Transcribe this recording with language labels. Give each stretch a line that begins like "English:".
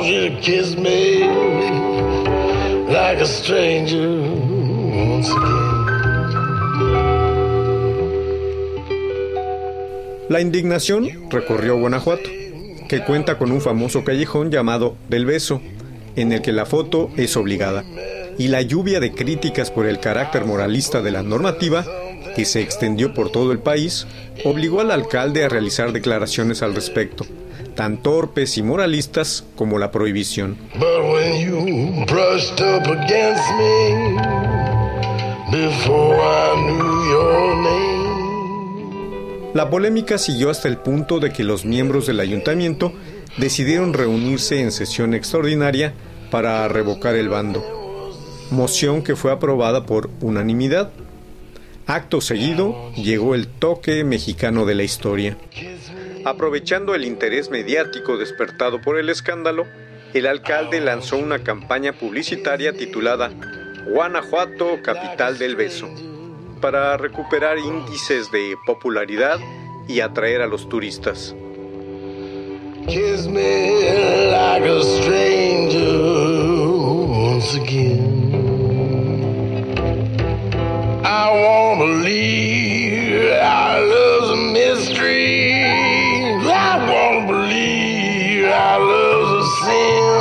English: to kiss me like a stranger once again.
Spanish: La indignación recorrió Guanajuato, que cuenta con un famoso callejón llamado Del Beso, en el que la foto es obligada, y la lluvia de críticas por el carácter moralista de la normativa, que se extendió por todo el país, obligó al alcalde a realizar declaraciones al respecto, tan torpes y moralistas como la prohibición.
English: But when you brushed up against me, before I knew your name.
Spanish: La polémica siguió hasta el punto de que los miembros del ayuntamiento decidieron reunirse en sesión extraordinaria para revocar el bando, moción que fue aprobada por unanimidad. Acto seguido, llegó el toque mexicano de la historia. Aprovechando el interés mediático despertado por el escándalo, el alcalde lanzó una campaña publicitaria titulada Guanajuato, capital del beso, para recuperar índices de popularidad y atraer a los turistas.
English: Kiss me like a stranger once again. I won't believe our love's a mystery. I won't believe our love's a sin.